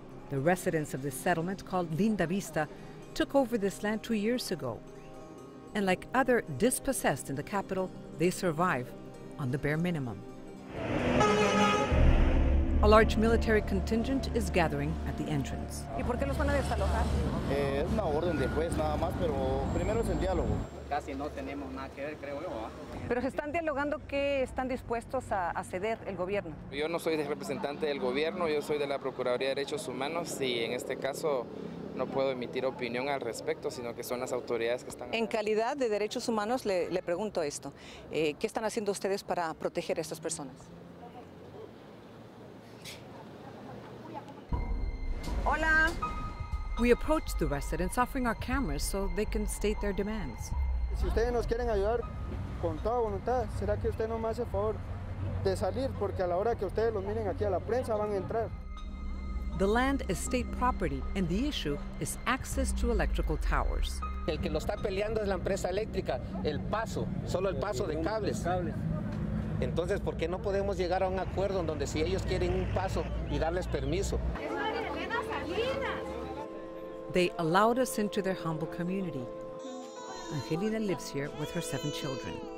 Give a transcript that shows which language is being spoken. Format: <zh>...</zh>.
<en>The residents of this settlement called Linda Vista took over this land 2 years ago. And like other dispossessed in the capital, they survive on the bare minimum. A large military contingent is gathering at the entrance.</en> <es>¿Y por qué los van a desalojar? Es una orden de juez nada más, pero primero es el diálogo. Casi no tenemos nada que ver, creo yo. Pero se están dialogando que están dispuestos a ceder el gobierno. Yo no soy representante del gobierno, yo soy de la Procuraduría de Derechos Humanos y en este caso no puedo emitir opinión al respecto, sino que son las autoridades que están... En calidad de derechos humanos le pregunto esto. ¿Qué están haciendo ustedes para proteger a estas personas? Hola.</es> <en>We approach the residents offering our cameras so they can state their demands.</en> <es>Si ustedes nos quieren ayudar con toda voluntad, ¿será que usted no me hace favor de salir? Porque a la hora que ustedes los miren aquí a la prensa van a entrar.</es> <en>The land is state property and the issue is access to electrical towers.</en> <es>El que lo está peleando es la empresa eléctrica, el paso, solo el paso de cables. Entonces, ¿por qué no podemos llegar a un acuerdo en donde si ellos quieren un paso y darles permiso?</es> <en>They allowed us into their humble community. Angelina lives here with her 7 children.</en>